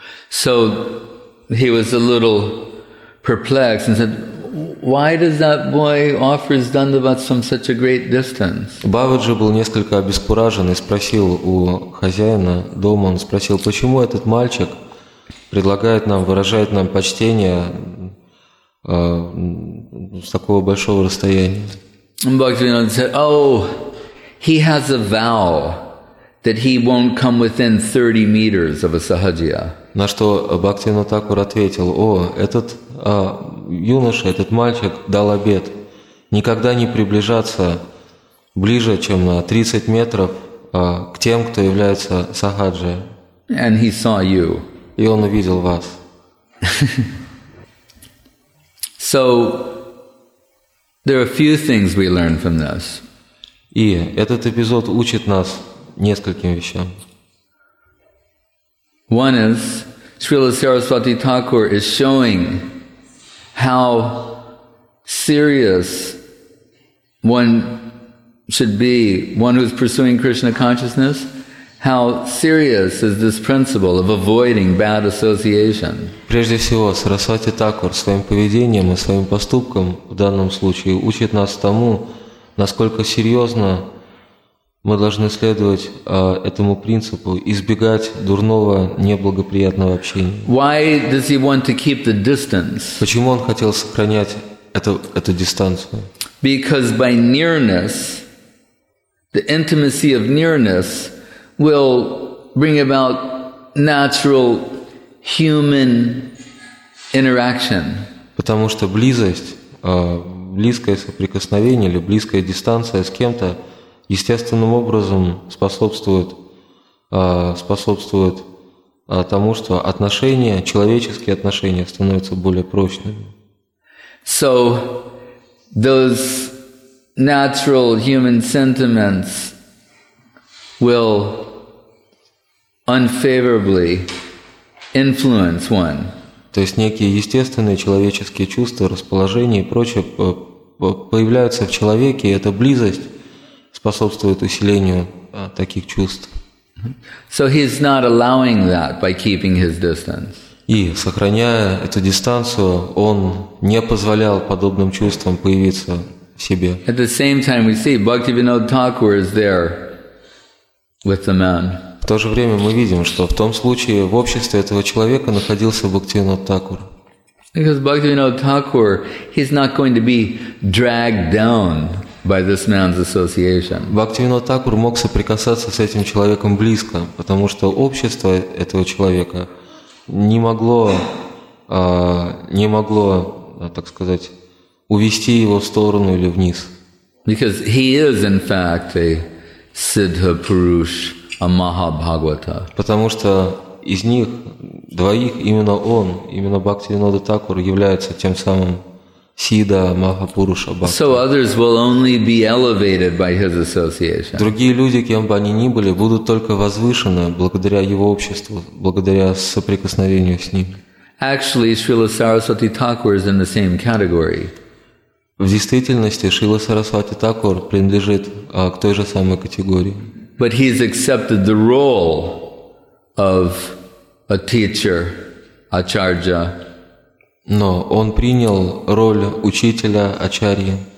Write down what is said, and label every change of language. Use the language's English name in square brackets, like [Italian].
[English] So he was a little perplexed and said, why does that boy offer his dandavats from such a great distance? [Russian] Бхаваджи был несколько обескуражен и спросил у хозяина дома, он спросил, почему этот мальчик предлагает нам, выражает нам почтение с такого большого расстояния? [English] Бхактивинода said, oh, he has a vow that he won't come within 30 meters of a sahajiya. [Russian] На что Бхактивинода Такур ответил, о, этот юноша, этот мальчик дал обет никогда не приближаться ближе, чем на 30 метров к тем, кто является сахаджи. [English] And he saw you. [Russian] И он увидел вас. [English] So, there are a few things we learn from this. [Russian] И этот эпизод учит нас нескольким вещам. [English] One is, Srila Saraswati Thakur is showing how serious one should be, one who is pursuing Krishna consciousness, how serious is this principle of avoiding bad association. [Russian] Прежде всего, Сарасвати Такур своим поведением и своим поступком в данном случае учит нас тому, насколько серьезно мы должны следовать этому принципу, избегать дурного, неблагоприятного общения. [English] Why does he want to keep the distance? [Russian] Почему он хотел сохранять эту дистанцию? [English] Because by nearness, the intimacy of nearness will bring about natural human interaction. [Russian] Потому что близкое соприкосновение или близкая дистанция с кем-то естественным образом способствует тому, что отношения, человеческие отношения становятся более прочными. [English] So those natural human sentiments will unfavorably influence one. [Russian] То есть некие естественные человеческие чувства, расположения и прочее появляются в человеке, и эта близость способствует усилению таких чувств. [English] So he's not allowing that by keeping his distance. [Russian] И сохраняя эту дистанцию, он не позволял подобным чувствам появиться в себе. [English] At the same time we see Bhaktivinoda Thakur is there with the man. [Russian] В то же время мы видим, что в том случае в обществе этого человека находился Бхактивинода Такур. [English] Because Bhaktivinoda Thakur, he's not going to be dragged down by this man's association. [Russian] Бхактивинода Такур мог соприкасаться с этим человеком близко, потому что общество этого человека не могло, так сказать, увести его в сторону или вниз. [English] Because he is, in fact, a Siddha Purush, a Mahabhagavata. [Russian] Потому что из них двоих именно он, именно Бхактивинода Такур является тем самим Сидда Махапуруша Бхакти. [English] So others will only be elevated by his association. [Russian] Другие люди, кем бы они ни были, будут только возвышены благодаря его обществу, благодаря соприкосновению с ним. [English] Actually, Srila Saraswati Thakur is in the same category. [Russian] В действительности Шрила Сарасвати Такур принадлежит к той же самой категории. [English] But he has accepted the role of a teacher, acharya. [Russian] Но он принял роль учителя ачарьи.